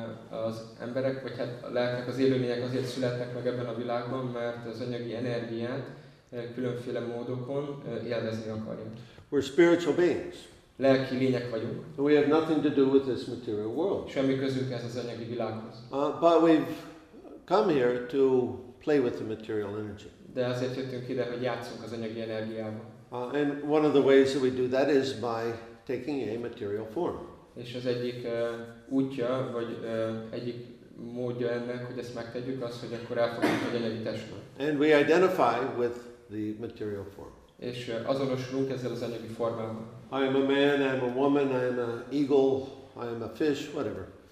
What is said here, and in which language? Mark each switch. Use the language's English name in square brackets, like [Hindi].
[Hungarian] Az emberek, vagy hát a lelkek, az élőlények azért születnek meg ebben a világban, mert az anyagi energiát különféle módokon élvezni akarjuk. [English] We're spiritual beings. [Hungarian] Lelki lények vagyunk. [English] We have nothing to do with this material world. [Hungarian] Semmi közünk ez az anyagi világhoz. [English] But we've come here to play with the material energy. [Hungarian] De azért jöttünk ide, hogy játszunk az anyagi energiával. [English] And one of the ways that we do that is by taking a material form. [Hungarian] És az egyik útja, vagy egyik módja ennek, hogy ezt megtegyük, az, hogy akkor elfogadjuk egy anyagi testben. [English] And we identify with the material form. [Hungarian] És azonosulunk ezzel az anyagi formában. [English] I am a man, I am a woman, I am an eagle, I am a fish, whatever.